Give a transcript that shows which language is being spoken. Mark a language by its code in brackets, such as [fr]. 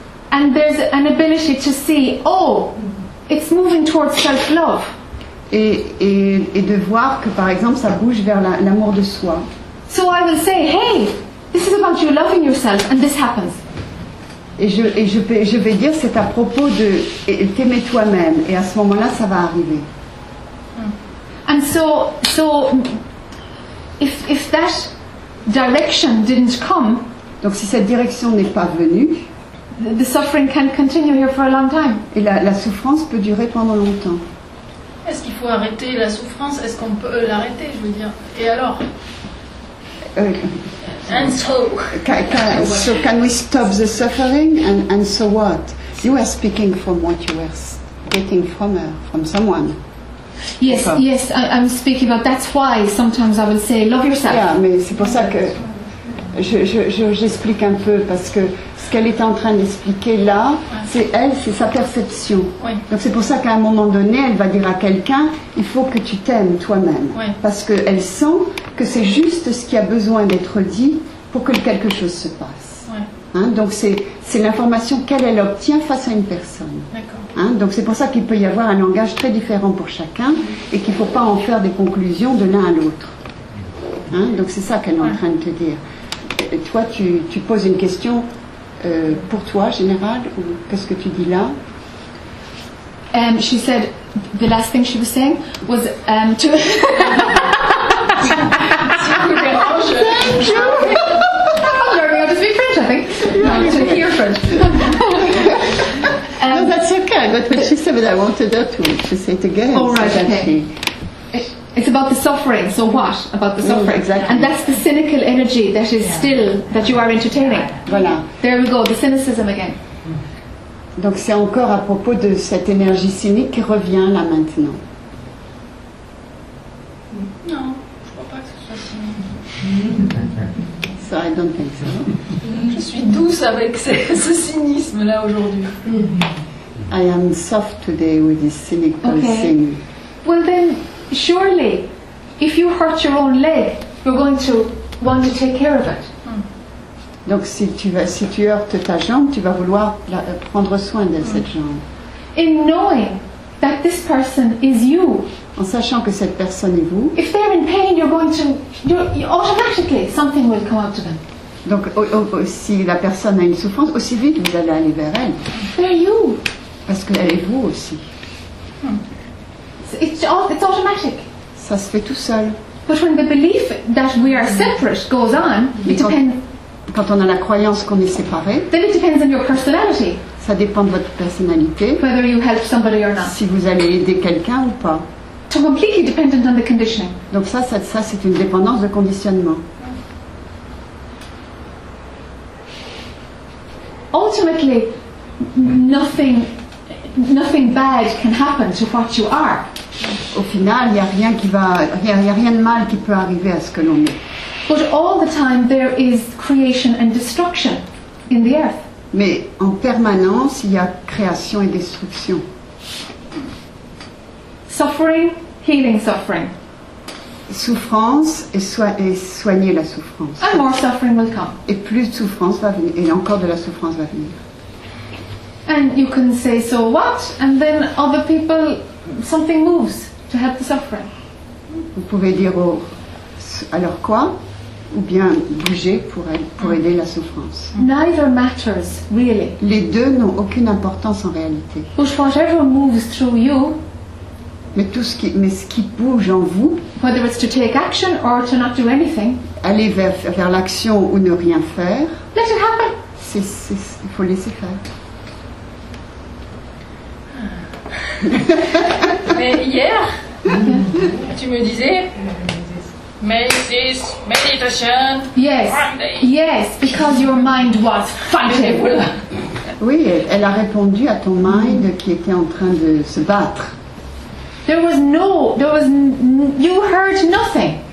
[en] And there's an ability to see oh it's moving towards self-love. [fr] Et de voir que par exemple ça bouge vers l'amour de soi. [en] So I will say hey this is about you loving yourself and this happens. [fr] Et je vais dire c'est à propos de t'aimer toi-même et à ce moment-là ça va arriver. [en] And so if that direction didn't come, [fr] donc si cette direction n'est pas venue, [en] the suffering can continue here for a long time. [fr] Et la souffrance peut durer pendant longtemps. Est-ce qu'il faut arrêter la souffrance? Est-ce qu'on peut l'arrêter? Je veux dire. Et alors? [en] So can we stop the suffering? And so what? You are speaking from what you were getting from her, from someone. Yes, so. Yes, I'm speaking about. That's why sometimes I will say, love yourself. [fr] Yeah, mais c'est pour ça que j'explique un peu parce que ce qu'elle est en train d'expliquer là, c'est elle, c'est sa perception. Oui. Donc c'est pour ça qu'à un moment donné, elle va dire à quelqu'un, il faut que tu t'aimes toi-même. Oui. Parce qu'elle sent que c'est juste ce qui a besoin d'être dit pour que quelque chose se passe. Oui. Hein? Donc c'est l'information qu'elle obtient face à une personne. D'accord. Hein? Donc c'est pour ça qu'il peut y avoir un langage très différent pour chacun et qu'il ne faut pas en faire des conclusions de l'un à l'autre. Hein? Donc c'est ça qu'elle est en train de te dire. Et toi, tu poses une question pour toi, général, ou qu'est-ce que tu dis là? [en] She said the last thing she was saying was to. Thank you. I'm learning how to speak French, I think. Yeah. To hear French. No, that's okay. But what she said, but I wanted her to say it again. Oh, right, so okay. It's about the suffering. So what about the suffering? Oh, exactly. And that's the cynical energy that is still that you are entertaining. [fr] Voilà. [en] There we go. The cynicism again. [fr] Donc c'est encore à propos de cette énergie cynique qui revient là maintenant. Non, je crois pas que ce soit cynique. [en] So I don't think so. [fr] Je suis douce avec ce cynisme là aujourd'hui. [en] I am soft today with this cynic policing. Okay. Well then. Surely, if you hurt your own leg, you're going to want to take care of it. [fr] Donc si tu heurtes ta jambe, tu vas vouloir prendre soin de cette jambe. [en] In knowing that this person is you. [fr] En sachant que cette personne est vous. [en] If they're in pain, you're going to automatically something will come out to them. [fr] Donc si la personne a une souffrance, aussi vite vous allez aller vers elle. [en] They're you. [fr] Parce que elle est vous aussi. [en] It's automatic. [fr] Ça se fait tout seul. [en] But when the belief that we are separate goes on, [fr] quand on a la croyance qu'on est séparé, [en] then it depends on your personality. [fr] Ça dépend de votre personnalité. [en] Whether you help somebody or not. [fr] Si vous allez aider quelqu'un ou pas. [en] To completely dependent on the conditioning. [fr] Donc ça c'est une dépendance de conditionnement. [en] Ultimately, nothing bad can happen to what you are. [fr] Au final, il n'y a rien qui va, il y a rien de mal qui peut arriver à ce que l'on est. [en] But all the time, there is creation and destruction in the earth. [fr] Mais en permanence, il y a création et destruction. [en] Suffering, healing suffering. [fr] Souffrance et soigner la souffrance. [en] And more suffering will come. [fr] Et plus de souffrance va venir, et encore de la souffrance va venir. [en] And you can say so what? And then other people, something moves to help the suffering. [fr] Vous pouvez dire oh, alors quoi? Ou bien bouger pour aider la souffrance. [en] Neither matters really. [fr] Les deux n'ont aucune importance en réalité. [en] But whatever moves through you. [fr] Mais ce qui bouge en vous. [en] Whether it's to take action or to not do anything. [fr] Aller vers l'action ou ne rien faire. [en] Let it happen. [fr] Il faut laisser faire. Mais hier, tu me disais, mais c'est méditation. [en] Yes, yes, because your mind was fighting. [fr] Oui, elle a répondu à ton mind qui était en train de se battre. [en] There was no, there was, you heard nothing.